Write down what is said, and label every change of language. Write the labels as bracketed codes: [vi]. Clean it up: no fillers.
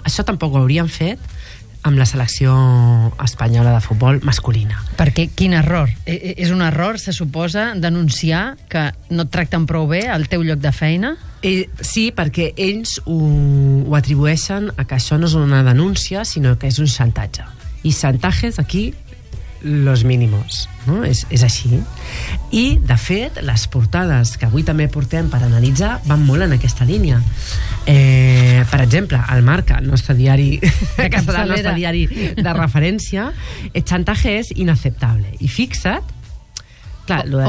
[ca] Això tampoc ho haurien fet amb la selecció espanyola de futbol masculina. Perquè quin error? És un error, se suposa, denunciar que no et tracten prou bé el teu lloc de feina? Sí, perquè ells ho atribueixen a que això no és una denúncia, sinó que és un xantatge. [es] I xantajes aquí, los mínimos. [ca] No? És així. I, de fet, les portades que avui també portem per analitzar van molt en aquesta línia. Per exemple, el Marca, el nostre diari, que serà el nostre diari de referència, el xantatge és inacceptable. I fixa't, clar, el xantatge...